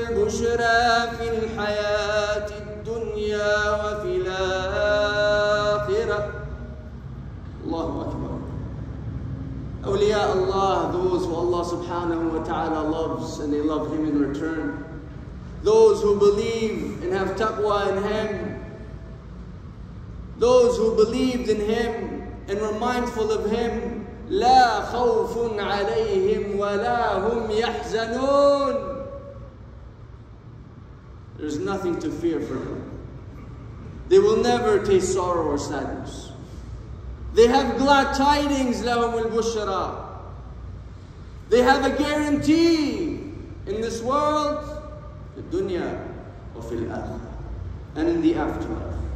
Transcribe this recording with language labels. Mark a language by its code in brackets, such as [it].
[ar] البشرى في الحياة الدنيا وفي الآخرة. الله أكبر. أولياء الله, [en] those who Allah subhanahu wa ta'ala loves and they love Him in return. Those who believe and have taqwa in Him. Those who believed in Him and were mindful of Him. [ar] لا خوف عليهم ولا هم يحزنون. [en] There's nothing to fear for them. They will never taste sorrow or sadness. They have glad tidings, [ar] لهم البشرى. [en] They have a guarantee in this world, the dunya [ar] وفي الآخرة, [en] and in the afterlife.